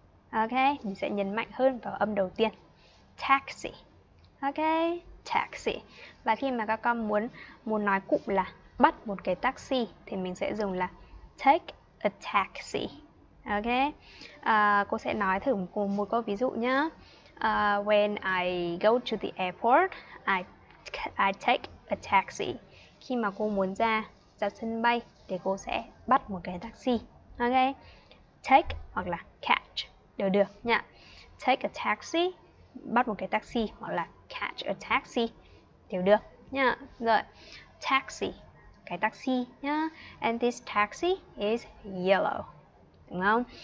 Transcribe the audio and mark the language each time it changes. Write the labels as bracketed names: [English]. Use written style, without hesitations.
[Vietnamese] Ok, mình sẽ nhấn mạnh hơn vào âm đầu tiên. Taxi. Ok, taxi. Và khi mà các con muốn muốn nói cụm là bắt một cái taxi thì mình sẽ dùng là [English] take a taxi. [Vietnamese] Ok, cô sẽ nói thử một câu ví dụ nhá. [English] When I go to the airport, I take a taxi. [Vietnamese] Khi mà cô muốn ra ra sân bay thì cô sẽ bắt một cái taxi. Ok, take hoặc là catch đều được nha. [English] Take a taxi, [Vietnamese] bắt một cái taxi, hoặc là [English] catch a taxi [Vietnamese] đều được nha. Rồi, taxi, cái taxi nhá. [English] And this taxi is yellow, [Vietnamese] đúng không?